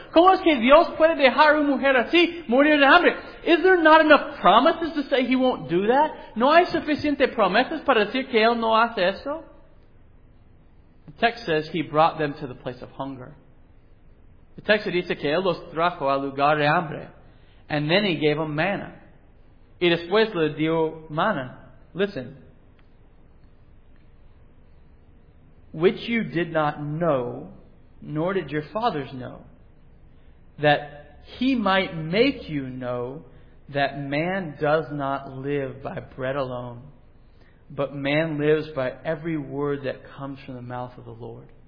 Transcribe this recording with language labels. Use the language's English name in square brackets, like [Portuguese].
[Spanish] ¿Cómo es que Dios puede dejar una mujer así morir de hambre? [English] Is there not enough promises to say He won't do that? [Spanish] ¿No hay suficiente promesas para decir que Él no hace eso? [English] The text says He brought them to the place of hunger. The text [Spanish] dice que él los trajo al lugar de hambre. [English] And then he gave them manna. [Spanish] Y después le dio manna. [English] Listen. Which you did not know, nor did your fathers know, that he might make you know that man does not live by bread alone, but man lives by every word that comes from the mouth of the Lord.